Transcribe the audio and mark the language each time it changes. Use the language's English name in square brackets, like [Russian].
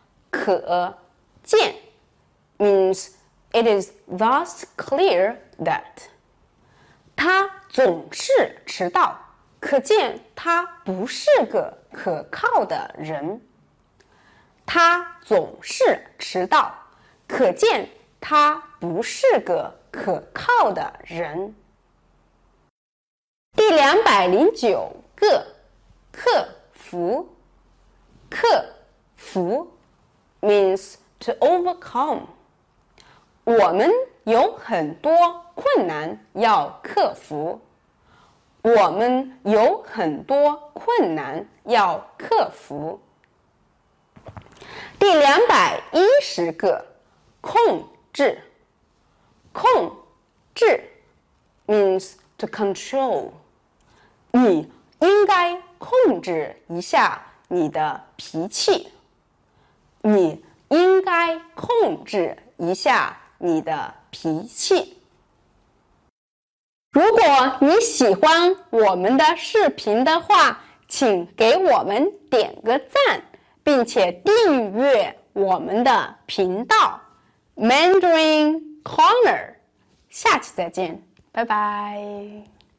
[English] 可见 means it is thus clear that。 [Chinese] 他总是迟到，可见他不是个可靠的人。他总是迟到，可见他不是个可靠的人。第209个，克服。 [English] 克服 means to overcome。 [Chinese] 我们有很多困难要克服。我们有很多困难要克服。第210个，控制。 [English] 控制 means to control。 [Chinese] 你应该控制一下你的脾气。你应该控制一下你的脾气。如果你喜欢我们的视频的话，请给我们点个赞，并且订阅我们的频道 Mandarin Corner。 下期再见，拜拜。